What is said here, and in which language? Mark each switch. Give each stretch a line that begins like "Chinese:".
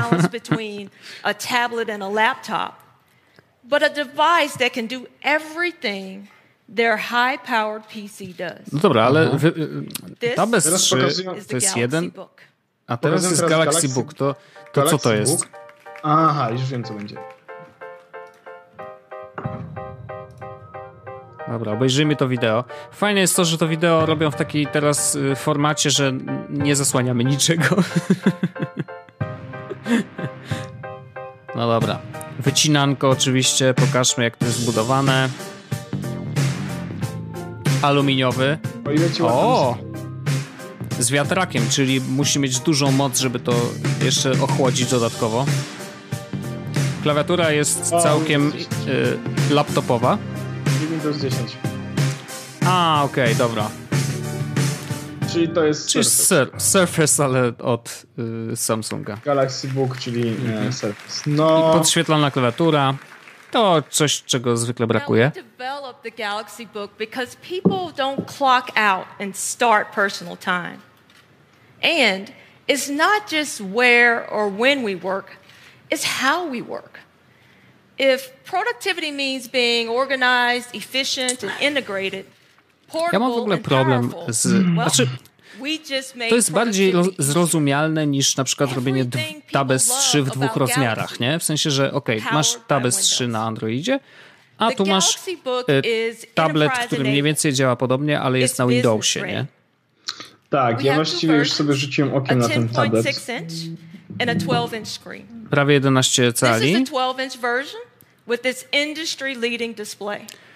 English: Balance between a tablet and a laptop, but a device that can do everything their high-powered PC does.
Polish: No dobra, ale Tab S3 to jest jeden, book. A teraz jest Galaxy Book. To Galaxy co to jest? Book? Aha, już wiem, co będzie. Dobra, obejrzyjmy to wideo. Fajne jest to, że to wideo robią w takiej teraz formacie, że nie zasłaniamy niczego. No dobra. Wycinanko oczywiście, pokażmy jak to jest zbudowane. Aluminiowy. O! Z wiatrakiem, czyli musi mieć dużą moc, żeby to jeszcze ochłodzić dodatkowo. Klawiatura jest całkiem laptopowa. Windows 10. A, okej, okay, dobra. Czyli to jest czyli Surface. Surface, ale od Samsunga. Galaxy Book, czyli Surface. No. I podświetlana klawiatura. To coś, czego zwykle brakuje.
English: We developed the Galaxy Book because people don't clock out and start personal time. And it's not just where or when we work, it's how we work. If productivity means being organized, efficient and integrated,
Polish: ja mam w ogóle problem z... Znaczy, to jest bardziej zrozumialne niż na przykład robienie Tab S3 w dwóch rozmiarach, nie? W sensie, że okej, okay, masz Tab S3 na Androidzie, a tu masz tablet, który mniej więcej działa podobnie, ale jest na Windowsie, nie? Tak, ja właściwie już sobie rzuciłem okiem na ten tablet.
English: And a 12-inch screen.
Polish: Prawie 11 cali.
English: This is a 12-inch version with this industry-leading display.